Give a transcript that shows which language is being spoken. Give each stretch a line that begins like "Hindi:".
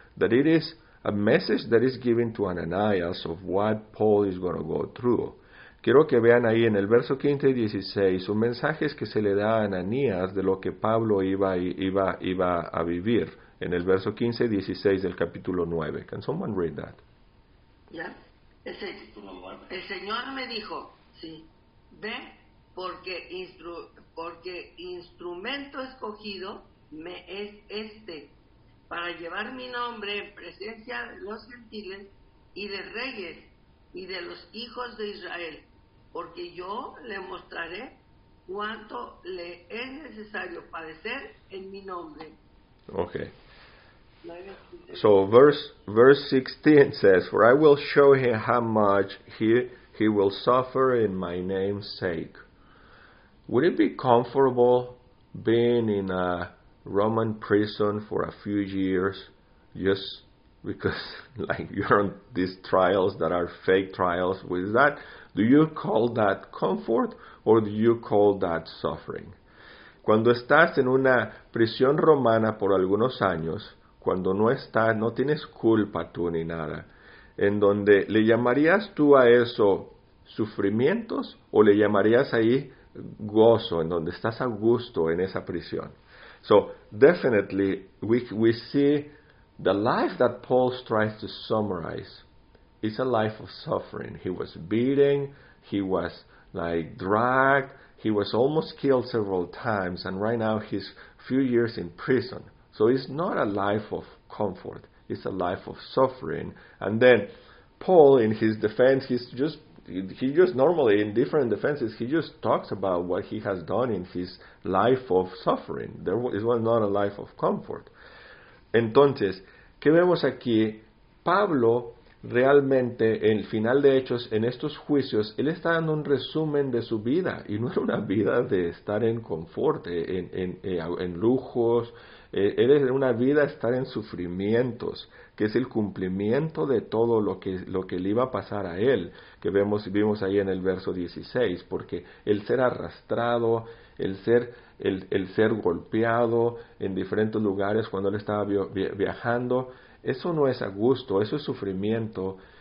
English: That it is a message that is given to Ananias of what Paul is going to go through.
Spanish: Quiero que vean ahí en el verso 15 y 16 un mensaje que se le da a Ananias de lo que Pablo iba a vivir en el verso 15 y 16 del capítulo 9.
English: Can someone read that? Yeah.
Spanish: El Señor me dijo, sí, ve, porque instrumento escogido me es este, para llevar mi nombre en presencia de los gentiles y de reyes y de los hijos de Israel, porque yo le mostraré cuánto le es necesario padecer en mi nombre. Okay.
English: So verse 16 says, for I will show him how much he will suffer in my name's sake. Would it be comfortable being in a Roman prison for a few years, just because, like, you're on these trials that are fake trials? With that, do you call that comfort, or do you call that suffering?
Spanish: Cuando estás en una prisión romana por algunos años, cuando no tienes culpa tú ni nada, en donde, ¿le llamarías tú a eso sufrimientos, o le llamarías ahí gozo, en donde estás a gusto en esa prisión?
English: So definitely we see the life that Paul tries to summarize is a life of suffering. He was beaten, he was like dragged, he was almost killed several times, and right now he's a few years in prison. So it's not a life of comfort, it's a life of suffering. And then Paul, in his defense, he just normally in different defenses, he just talks about what he has done in his life of suffering. It was not a life of comfort.
Spanish: Entonces, ¿qué vemos aquí? Pablo realmente, en el final de Hechos, en estos juicios, él está dando un resumen de su vida, y no era una vida de estar en confort, en lujos. Él es una vida de estar en sufrimientos, que es el cumplimiento de todo lo que le iba a pasar a él, que vimos ahí en el verso 16, porque el ser arrastrado, el ser golpeado en diferentes lugares cuando él estaba viajando, eso no es a gusto, eso es sufrimiento.